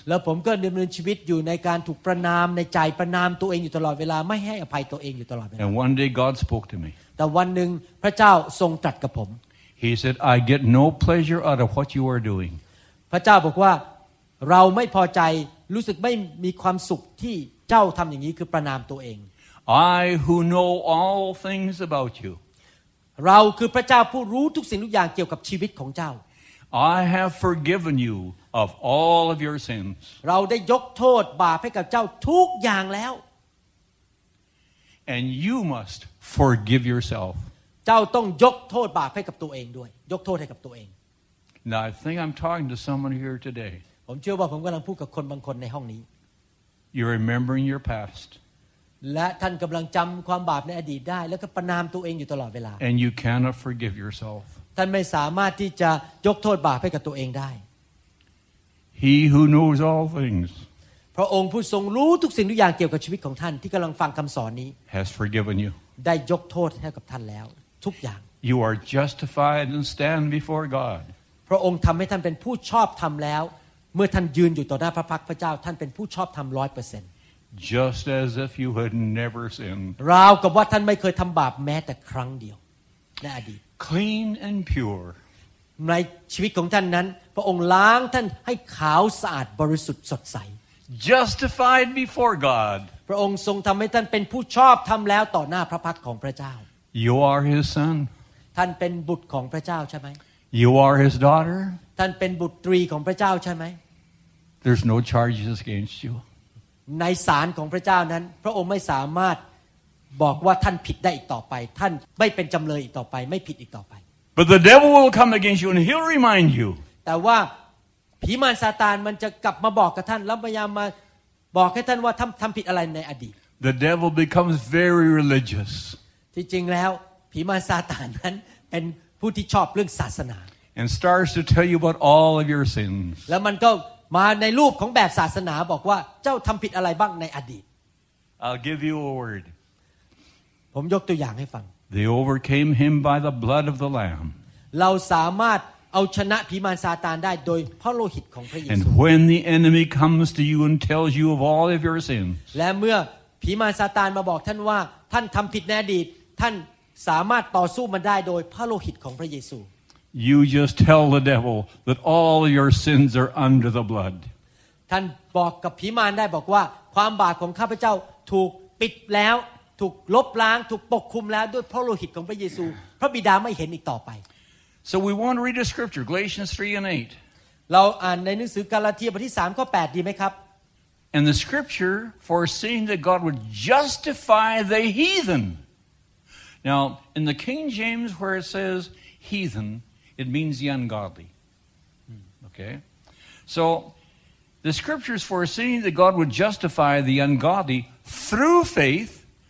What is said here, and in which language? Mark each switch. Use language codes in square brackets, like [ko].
[th] แล้วผมก็ดำเนินชีวิตอยู่ในการถูกประณามในใจประณามตัวเองอยู่ตลอดเวลาไม่ให้อภัยตัวเองอยู่ตลอดเวลา [en] And one day God spoke to me. [th] แต่วันนึงพระเจ้าทรงตรัสกับผม [en] He said, "I get no pleasure out of what you are doing." [th] พระเจ้าบอกว่าเราไม่พอใจรู้สึกไม่มีความสุขที่เจ้าทำอย่างนี้คือประณามตัวเอง [en] I who know all things about you. [th] เราคือพระเจ้าผู้รู้ทุกสิ่งทุกอย่างเกี่ยวกับชีวิตของเจ้า [en] I have forgiven you of all of your sins. [th] เราได้ยกโทษบาปให้กับเจ้าทุกอย่างแล้ว [en] And you must forgive yourself. [th] เจ้าต้องยกโทษบาปให้กับตัวเองด้วยยกโทษให้กับตัวเอง [en] Now I think I'm talking to someone here today [th] ผมเชื่อว่าผมกำลังพูดกับคนบางคนในห้องนี้ [en] You're remembering your past [th] และท่านกำลังจำความบาปในอดีตได้แล้วก็ประณามตัวเองอยู่ตลอดเวลา [en] And you cannot forgive yourself [th] ท่านไม่สามารถที่จะยกโทษบาปให้กับตัวเองได้ [en] He who knows all things [th] พระองค์ผู้ทรงรู้ทุกสิ่งทุกอย่างเกี่ยวกับชีวิตของท่านที่กำลังฟังคำสอนนี้ [en] has forgiven you [th] ได้ยกโทษให้กับท่านแล้วทุกอย่าง [en] you are justified and stand before God [th] พระองค์ทำให้ท่านเป็นผู้ชอบธรรมแล้วเมื่อท่านยืนอยู่ต่อหน้าพระพักตร์พระเจ้าท่านเป็นผู้ชอบธรรม 100% [en] just as if you had never sinned [th] ราวกับว่าท่านไม่เคยทำบาปแม้แต่ครั้งเดียวในอดีต [en] clean and pure [th] ในชีวิตของท่านนั้นพระองค์ล้างท่านให้ขาวสะอาดบริสุทธิ์สดใส [en] justified before God [th] พระองค์ทรงทำให้ท่านเป็นผู้ชอบธรรมแล้วต่อหน้าพระพักตร์ของพระเจ้า [en] You are his son. [th] ท่านเป็นบุตรของพระเจ้าใช่ไหม [en] You are his daughter. [th] ท่านเป็นบุตรีของพระเจ้าใช่ไหม [en] There's no charges against you. [th] ในศาลของพระเจ้านั้นพระองค์ไม่สามารถบอกว่าท่านผิดได้อีกต่อไปท่านไม่เป็นจำเลยอีกต่อไปไม่ผิดอีกต่อไป [en] But the devil will come against you and he'll remind you. [th] แต่ว่าผีมารซาตานมันจะกลับมาบอกกับท่านแล้วพยายามมาบอกให้ท่านว่าทำผิดอะไรในอดีต [en] The devil becomes very religious. [th] จริงๆแล้วผีมารซาตานนั้นเป็นผู้ที่ชอบเรื่องศาสนา [en] And starts to tell you about all of your sins [th] แล้วมันก็มาในรูปของแบบศาสนาบอกว่าเจ้าทำผิดอะไรบ้างในอดีต [en] I'll give you a word [th] ผมยกตัวอย่างให้ฟัง [en] They overcame him by the blood of the lamb [th] เราสามารถเอาชนะผีมารซาตานได้โดยพระโลหิตของพระเยซู [en] And when the enemy comes to you and tells you of all of your sins [th] และเมื่อผีมารซาตานมาบอกท่านว่าท่านทำผิดในอดีตท่านสามารถต่อสู้มันได้โดยพระโลหิตของพระเยซู [en] You just tell the devil that all your sins are under the blood [th] ท่านบอกกับผีมารได้บอกว่าความบาปของข้าพเจ้าถูกปิดแล้วถูกลบล้างถูกปกคลุมแล้วด้วยพระโลหิตของพระเยซูพระบิดาไม่เห็นอีกต่อไป [en] So we want to read a scripture Galatians 3 and 8 [th] เราอ่านในหนังสือกาลาเทียบทที่3ข้อ8ดีไหมครับ [en] And the scripture foreseeing that God would justify the heathenNow, in the King James, where it says heathen, it means the ungodly. Okay? So, the scriptures foreseeing that God would justify the ungodly through faith